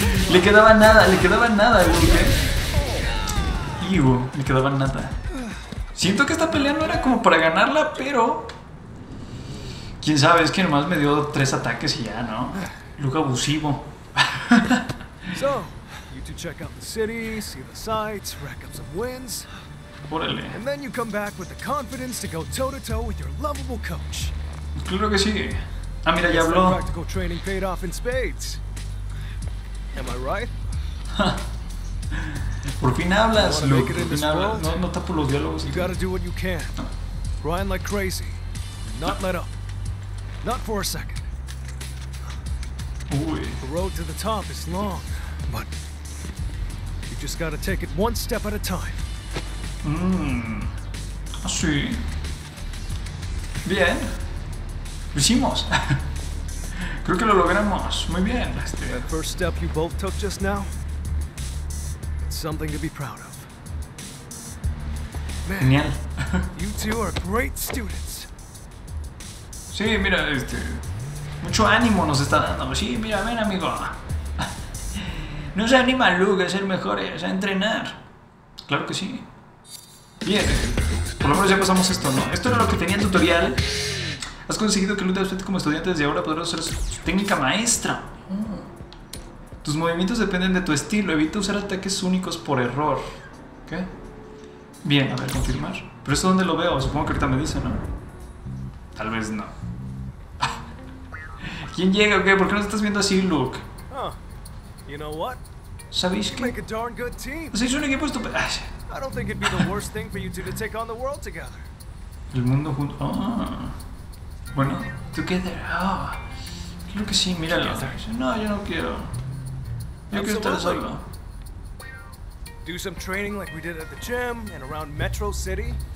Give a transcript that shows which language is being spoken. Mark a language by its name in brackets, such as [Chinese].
[Spanish] Le quedaba nada, Wolke. Ivo, le quedaba nada. Siento que esta pelea no era como para ganarla, pero... quién sabe, es que nomás me dio 3 ataques y ya, ¿no? Look abusivo. [English] So, you two check out the city, see the sights, rack up some wins. [Spanish] Órale. [English] And then you come back with the confidence to go toe-to-toe with your lovable coach. [Spanish] Claro que sí. Ah, mira, ya habló. [English] Practical training paid off in spades. Am I right? [Spanish] Por fin hablas, Luke. Por fin hablas. No, no tapo los diálogos. [English] You gotta do what you can. Grind like crazy. Not let up. Not for a second. Uy. The road to the top is long, but you just gotta take it one step at a time. [Spanish] Sí. Bien. Lo hicimos. Creo que lo logramos. Muy bien. [English] That first step you both took just now. Something to be proud of. [Spanish] Man, genial. [English] You two are great students. [Spanish] Sí, mira, mucho ánimo nos está dando. Sí, mira, ven, amigo. No se anima Luke a ser mejores, a entrenar. Claro que sí. Bien, por lo menos ya pasamos esto, ¿no? Esto era lo que tenía en tutorial. Has conseguido que Luke despierte como estudiante desde ahora. Podrás ser su técnica maestra. Tus movimientos dependen de tu estilo. Evita usar ataques únicos por error. ¿Qué? Bien, a ver, confirmar. ¿Pero esto dónde lo veo? Supongo que ahorita me dice, ¿no? Tal vez no. ¿Quién llega o qué? ¿Por qué no te estás viendo así, Luke? [English] You know what? [Spanish] ¿Sabéis qué? [English] Make a darn good team. [Spanish] O sea, es un equipo estupendo. [English] I don't think it'd be the worst thing for you two to take on the world together. [Spanish] El mundo junto. Oh. Bueno, together. Oh. Creo que sí, míralo. No, yo no quiero. Yo quiero estar solo. [English] Do some training like we did at the gym and around Metro City.